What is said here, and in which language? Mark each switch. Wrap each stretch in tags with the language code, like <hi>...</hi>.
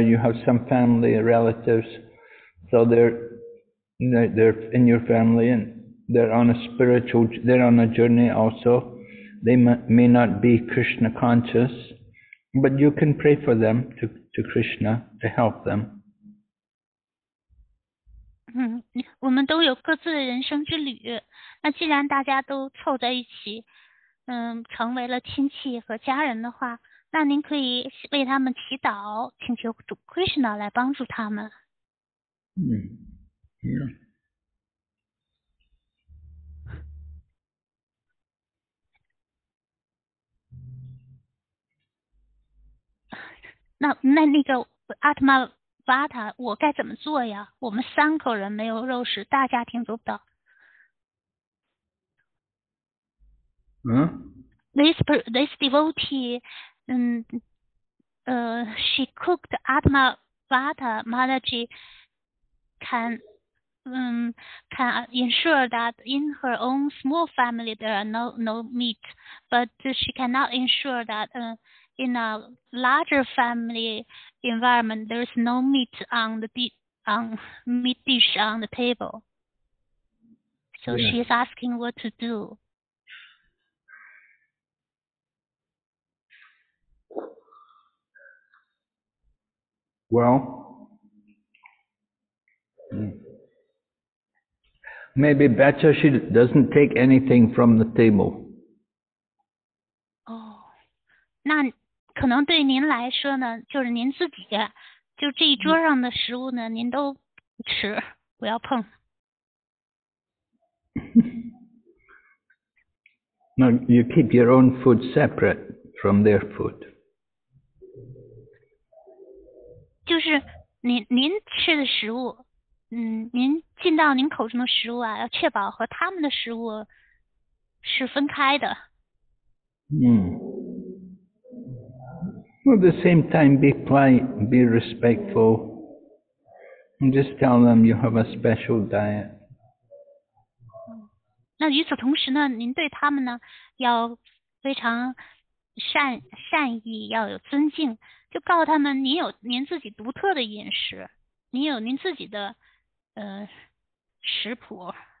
<en>You have some family relatives, so they're in your family, and they're on a journey also. They may not be Krishna conscious, but you can pray for them to Krishna to help them.</en> <zh>我们都有各自的人生之旅，那既然大家都凑在一起，成为了亲戚和家人的话，那您可以为他们祈祷，请求主 Krishna 来帮助他们。那个 Atma Vata 我该怎么做呀？我们三口人没有肉食，大家庭做不到。</zh> <en>This devotee, she cooked Atma Vata Mataji can ensure that in her own small family there are no meat, but she cannot ensure that in a larger family environment there is no meat on the meat dish on the table. So yeah. She is asking what to do. Well, maybe better she doesn't take anything from the table.</en> <zh>Oh, 那可能对您来说呢，就是您自己就这一桌上的食物呢，您都不吃，不要碰。</zh> <en>No, you keep your own food separate from their food.</en> <zh>就是您吃的食物，您进到您口中的食物啊，要确保和他们的食物是分开的。</zh> <en>Well, at the same time, be quiet, be respectful, and just tell them you have a special diet.</en> <zh>那与此同时呢，您对他们呢，要非常善意，要有尊敬，就告诉他们您有您自己独特的饮食，您有您自己的食谱。</zh>